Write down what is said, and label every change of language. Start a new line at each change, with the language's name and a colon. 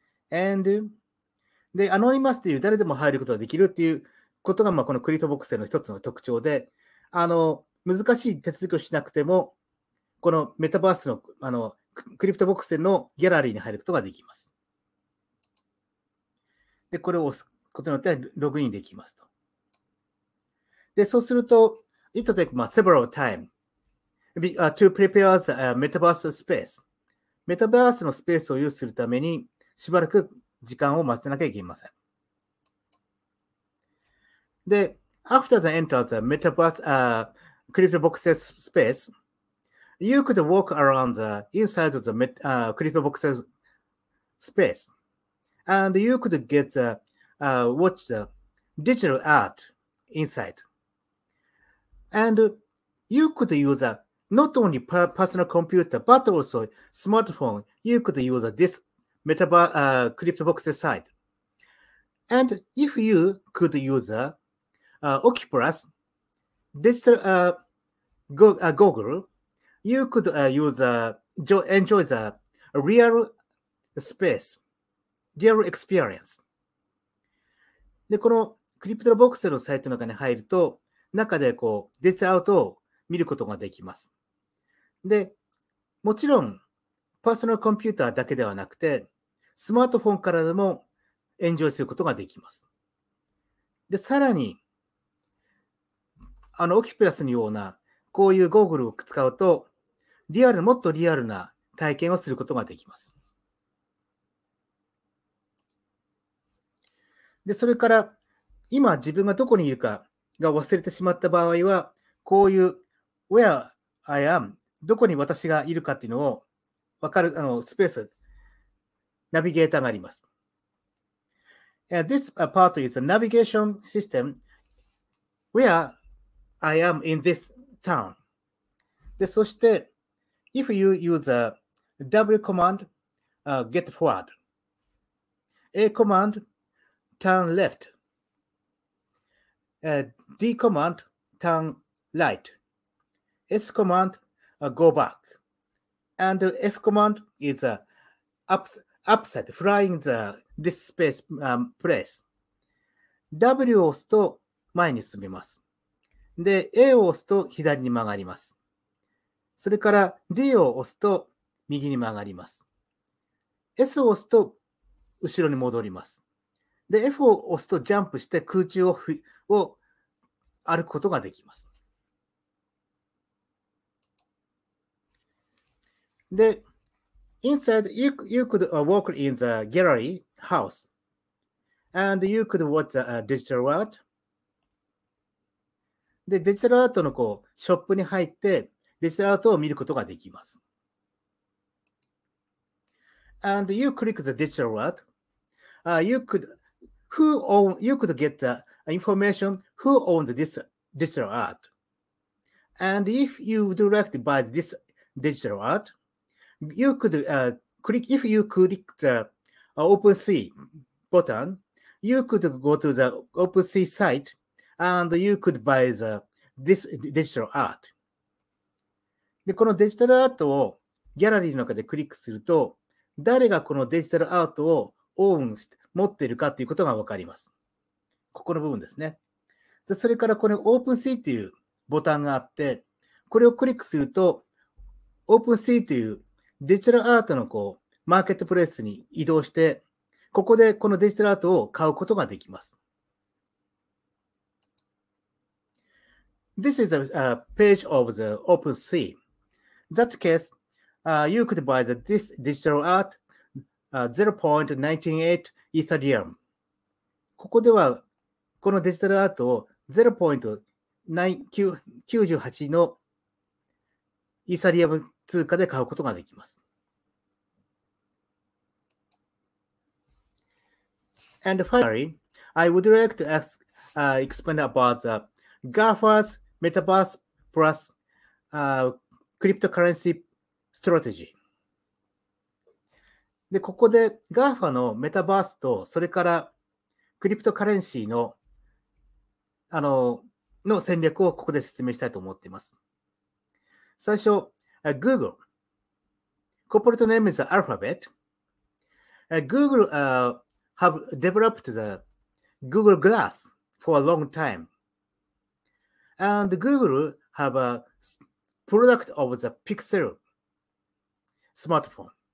English: And the anonymous
Japanese: という誰でも入ることができるっていうことが、このクリプトボクセルの一つの特徴で、難しい手続きをしなくても、このメタバースの クリプトボックスのギャラリーに入ることができます。で、これを押すことによってログインできますと。で、そうすると、
English: it will take several time to prepare the metaverse space.
Japanese: Metaverse のスペースを有するためにしばらく時間を待たなきゃいけません。
English: で、after they enter the metaverse crypto boxes space, you could walk around the inside of the crypto boxes space, and you could get the watch the digital art inside, and you could use a not only personal computer but also smartphone. You could use this metaverse crypto boxes site, and if you could use a Oculus digital goggle, you could enjoy the real space, real experience.
Japanese: で、このクリプトボックスのサイトの中に入ると、中でこうデジタルアートを見ることができます。で、もちろんパーソナルコンピューターだけではなくて、スマートフォンからでもエンジョイすることができます。で、さらに、オキプラスのようなこういうゴーグルを使うと、リアル、もっとリアルな体験をすることができます。で、それから、今自分がどこにいるかが忘れてしまった場合は、こういう、
English: where I am、
Japanese: どこに私がいるかっていうのを分かる、スペース、ナビゲーターがあります。
English: This part is a navigation system where I am in this town.
Japanese: で、そして、
English: if you use a W command, get forward. A command,Turn left. D command, turn right. S command, go back. And F command is upside, flying this space place.
Japanese: W を押すと前に進みます。で、A を押すと左に曲がります。それから D を押すと右に曲がります。 S を押すと後ろに戻ります。で、F を押すとジャンプして空中を歩くことができます。
English: で、inside, you could walk in the gallery house, and you could watch the digital art.
Japanese: で、デジタルアートのこう、ショップに入って、デジタルアートを見ることができます。
English: And you click the digital art, you could get the information who owned this digital art. And if you would like to buy this digital art, you could click the OpenSea button, you could go to the OpenSea site and you could buy this digital art.
Japanese: で、このデジタルアートをギャラリーの中でクリックすると、誰がこのデジタルアートをオンして、持っているかということがわかります。ここの部分ですね。で、それからこれ OpenSea というボタンがあって、これをクリックすると OpenSea というデジタルアートのこうマーケットプレイスに移動して、ここでこのデジタルアートを買うことができます。
English: This is a page of the OpenSea. In that case, you could buy this digital art 0.198.
Japanese: イーサリアム。ここでは、このデジタルアートを 0.98 のイーサリアム通貨で買うことができます。
English: And finally, I would like to ask, explain about the GAFA's Metaverse Plus, cryptocurrency strategy.
Japanese: で、ここで GAFA のメタバースと、それからクリプトカレンシーの、の戦略をここで説明したいと思っています。最初、Google。コーポレートネームはアルファベット。
English: Google have developed the Google Glass for a long time.And Google have a product of the Pixel smartphone.